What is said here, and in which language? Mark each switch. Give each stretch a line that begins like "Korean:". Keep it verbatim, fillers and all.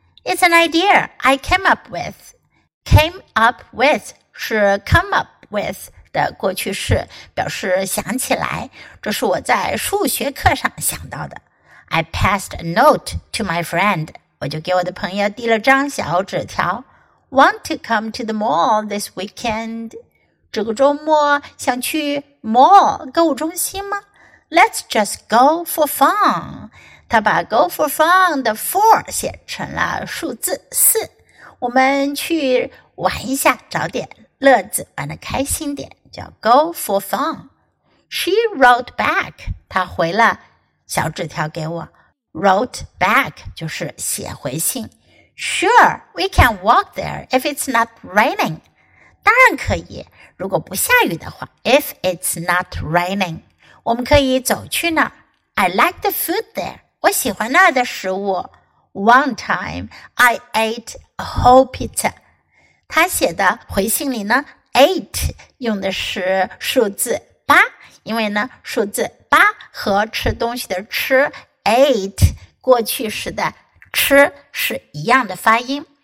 English: It's an idea I came up with. Came up with 是 come up with
Chinese: 的过去式，表示想起来。这是我在数学课上想到的。
English: I passed a note to my friend.
Chinese: 我就给我的朋友递了张小纸条。
English: Want to come to the mall this weekend?
Chinese: 这个周末想去 mall 购物中心吗？
English: Let's just go for fun.
Chinese: 他把
English: go for fun 的 for
Chinese: 写成了数字四。我们去玩一下，找点乐子，玩得开心点，叫
English: go for fun. She wrote back.
Chinese: 她回了小纸条给我。
English: Wrote back
Chinese: 就是写回信。
English: Sure, we can walk there if it's not raining.
Chinese: 当然可以，如果不下雨的话。
English: If it's not raining.
Chinese: 我们可以走去那儿。
English: I like the food there.
Chinese: 我喜欢那儿的食物。
English: One time, I ate a whole pizza.
Chinese: 他写的回信里呢 ate 用的是数字八，因为呢数字八和吃东西的吃 ate 过去时的吃是一样的发音。